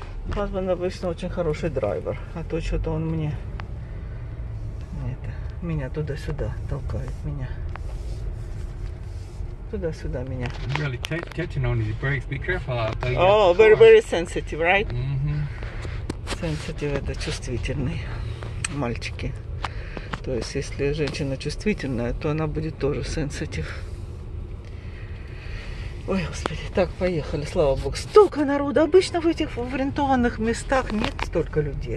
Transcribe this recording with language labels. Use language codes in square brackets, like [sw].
[ru] Хазбан обычно очень хороший драйвер, а то что-то он мне... Это, меня туда-сюда толкает, меня. Туда-сюда меня. [en] Really catching on his brakes, be careful out there. Oh, very, very sensitive, right? [ru] Сенситивный, это чувствительный, мальчики. То есть, если женщина чувствительная, то она будет тоже сенситив. Ой, господи, так, поехали, слава богу. Столько народу, обычно в этих рентованных местах нет столько людей.